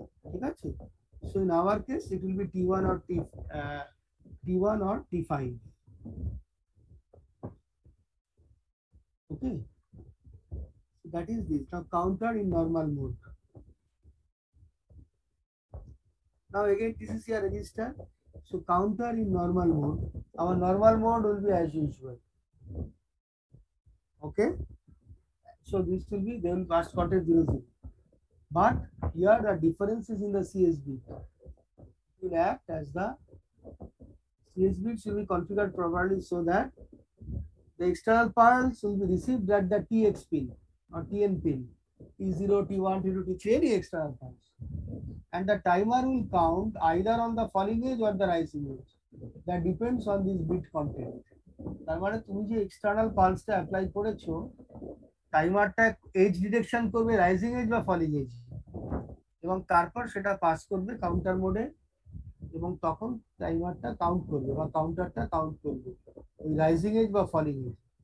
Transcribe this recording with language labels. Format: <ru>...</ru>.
<bn>ঠিক আছে?</bn> <en>So in our case it will be t1 or t t1 or t5, okay? That is this now counter in normal mode. Now again, this is your register. So counter in normal mode. Our normal mode will be as usual. Okay. So this will be then first quarter 0-0. But here the difference is in the CSB. It will act as the CSB should be configured properly so that the external pulse will be received at the TX pin or TN pin. T0, T1, T2, T3, any external pulse. And the timer will count either on the falling edge or the rising edge. That depends on this bit content.</en> <bn>তার মানে তুমি যে external pulse টা apply করেছো, timer টা edge detection করবে rising edge বা falling edge. এবং তারপর সেটা pass করবে counter mode এবং তখন timer টা count করবে বা counter টা count করবে ওই rising edge বা falling edge.</bn>